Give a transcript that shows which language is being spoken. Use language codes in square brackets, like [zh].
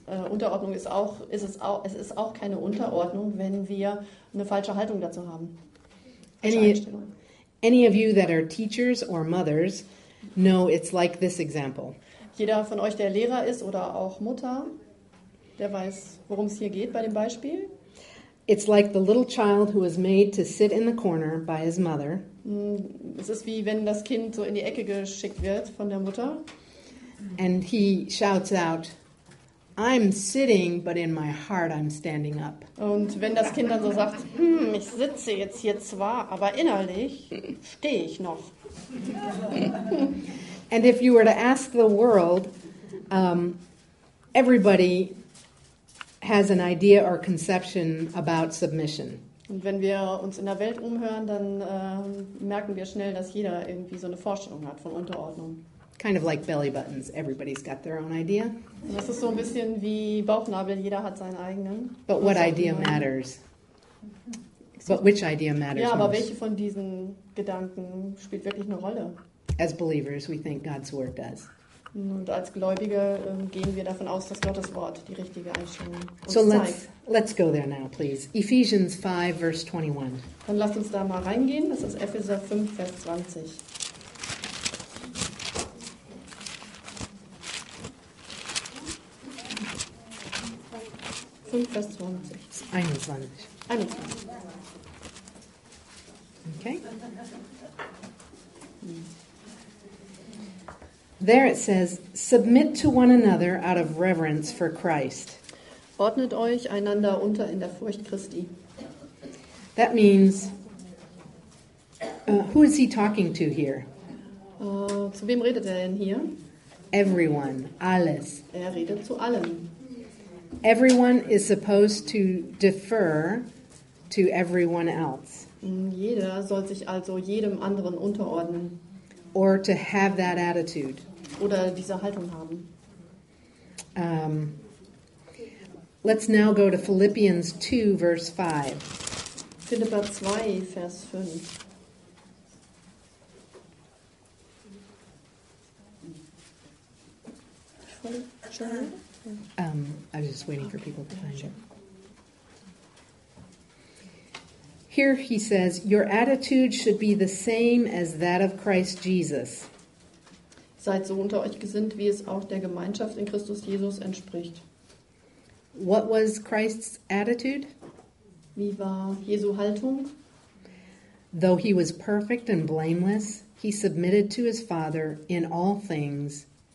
[de] Unterordnung ist auch keine Unterordnung, wenn wir eine falsche Haltung dazu haben. [en] Any of you that are teachers or mothers know it's like this example. [de] Jeder von euch, der Lehrer ist oder auch Mutter, der weiß, worum es hier geht bei dem Beispiel. [en] It's like the little child who is made to sit in the corner by his mother. [de] Es ist wie wenn das Kind so in die Ecke geschickt wird von der Mutter. [en] And he shouts out, I'm sitting, but in my heart I'm standing up. [de] Und wenn das Kind dann so sagt, ich sitze jetzt hier zwar, aber innerlich stehe ich noch. [en] And if you were to ask the world, everybody has an idea or conception about submission. [de] Und wenn wir uns in der Welt umhören, dann merken wir schnell, dass jeder irgendwie so eine Vorstellung hat von Unterordnung. [en] Kind of like belly buttons. Everybody's got their own idea. [de] Das ist so ein bisschen wie Bauchnabel. Jeder hat seinen eigenen. [en] But what idea matters? But which idea matters? [de] Ja, aber welche von diesen Gedanken spielt wirklich eine Rolle? [en] As believers, we think God's word does. [de] Und als Gläubige gehen wir davon aus, dass Gottes Wort die richtige Einstellung uns zeigt. [en] So let's go there now, please. Ephesians 5, verse 21. [de] Dann lasst uns da mal reingehen. Das ist Epheser 5, Vers 20. Vers 20. 21. 21. Okay. [en] There it says, submit to one another out of reverence for Christ. [de] Ordnet euch einander unter in der Furcht Christi. [en] That means, who is he talking to here? [de] Zu wem redet er denn hier? [en] Everyone, [de] alles. Er redet zu allen. [en] Everyone is supposed to defer to everyone else. [de] Jeder soll sich also jedem anderen unterordnen. [en] Or to have that attitude. [de] Oder diese Haltung haben. [en] Let's now go to Philippians 2, verse 5. [de] Philipper 2, Vers 5. [en] I was just waiting for people to find it. Here he says, your attitude should be the same as that of Christ Jesus. [de] Seid so unter euch gesinnt, wie es auch der Gemeinschaft in Christus Jesus entspricht. [en] What was Christ's attitude? [de] Wie war Jesu Haltung? [en] Though he was perfect and blameless, he submitted to his Father in all things.